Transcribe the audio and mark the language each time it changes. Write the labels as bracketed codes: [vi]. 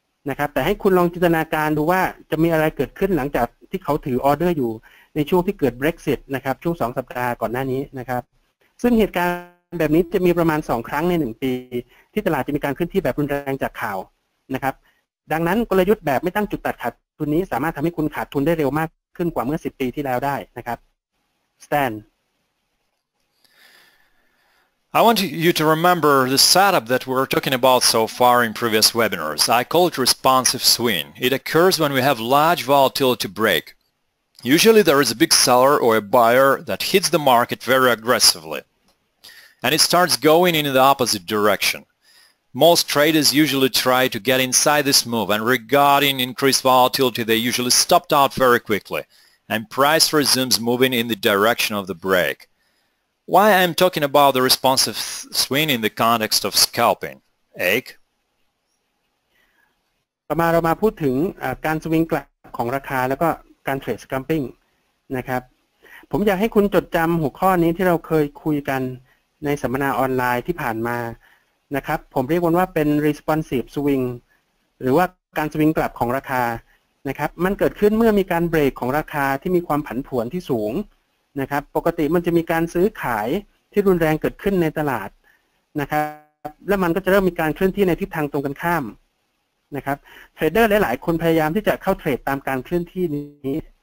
[th] นะครับแต่ให้คุณลองจินตนาการดูว่าจะมีอะไรเกิดขึ้นหลังจากที่เขาถือออเดอร์อยู่ในช่วงที่เกิด Brexit นะครับช่วง2สัปดาห์ก่อนหน้านี้นะครับซึ่งเหตุการณ์แบบนี้จะมีประมาณ2ครั้งใน1ปีที่ตลาดจะมีการเคลื่อนที่แบบรุนแรงจากข่าวนะครับดังนั้นกลยุทธ์แบบไม่ตั้งจุดตัดขาดทุนนี้สามารถทำให้คุณขาดทุนได้เร็วมากขึ้นกว่าเมื่อ10ปีที่แล้วได้นะครับStan. [en] I want you to remember the setup that we were talking about so far in previous webinars. I call it responsive swing. It occurs when we have large volatility break. Usually there is a big seller or a buyer that hits the market very aggressively and it starts going in the opposite direction. Most traders usually try to get inside this move and regarding increased volatility they usually stopped out very quickly. and price resumes moving in the direction of the break. Why I'm talking about the responsive swing in the context of scalping, Egg? [th] ต่อมาเรามาพูดถึงการสวิงกลับของราคาแล้วก็การเทรดสแคมปิ้งนะครับผมอยากให้คุณจดจำหัวข้อนี้ที่เราเคยคุยกันในสัมมนาออนไลน์ที่ผ่านมา นะครับผมเรียกว่าเป็น responsive swing หรือว่าการสวิงกลับของราคานะครับมันเกิดขึ้นเมื่อมีการเบรกของราคาที่มีความผันผวนที่สูงนะครับปกติมันจะมีการซื้อขายที่รุนแรงเกิดขึ้นในตลาดนะครับและมันก็จะเริ่มมีการเคลื่อนที่ในทิศทางตรงกันข้ามนะครับเทรดเดอร์หลายๆคนพยายามที่จะเข้าเทรดตามการเคลื่อนที่นี้